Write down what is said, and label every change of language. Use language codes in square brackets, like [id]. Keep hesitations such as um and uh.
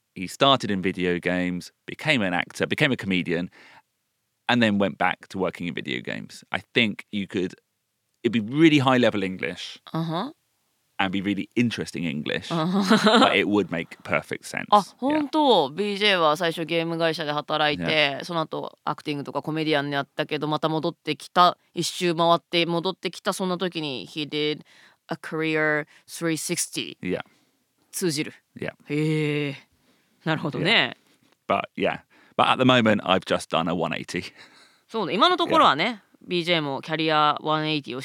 [en] He started in video games, became an actor, became a comedian, and then went back to working in video games. I think you could it'd be really high level English. Uh-huh. And be really interesting English. Uh-huh. but it would make perfect sense. [ja] あ、本当。 BJ は最初ゲーム会社で働いて、その後アクティングとかコメディアンになったけど、また戻ってきた、一周回って戻ってきたその時に [en] he did a career 360. [ja] Yeah. 通じる。Yeah. へなるほどね。 [en] Yeah. But yeah, but at the moment I've just done a 180. [ja] そうね、今のところはね。Yeah. BJ もキャリア yeah.